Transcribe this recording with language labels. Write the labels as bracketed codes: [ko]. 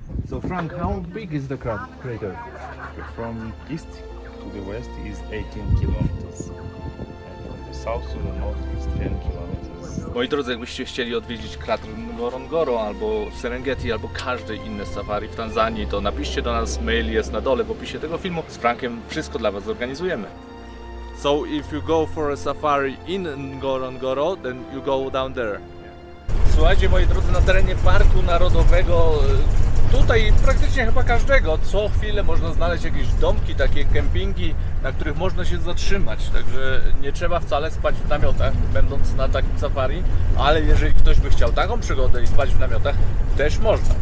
[en] So Frank, how big is the crater? From east to the west is 18 kilometers. From the south to the north is 10 kilometers. [pl] Moi drodzy, jakbyście chcieli odwiedzić krater Ngorongoro, albo Serengeti, albo każde inne safari w Tanzanii, to napiszcie do nas, mail jest na dole w opisie tego filmu. Z Frankiem wszystko dla was zorganizujemy. [en] So if you go for a safari in Ngorongoro, then you go down there. [pl] Słuchajcie, moi drodzy, na terenie Parku Narodowego tutaj praktycznie chyba każdego, co chwilę można znaleźć jakieś domki, takie kempingi, na których można się zatrzymać. Także nie trzeba wcale spać w namiotach, będąc na takim safari. Ale jeżeli ktoś by chciał taką przygodę i spać w namiotach, też można.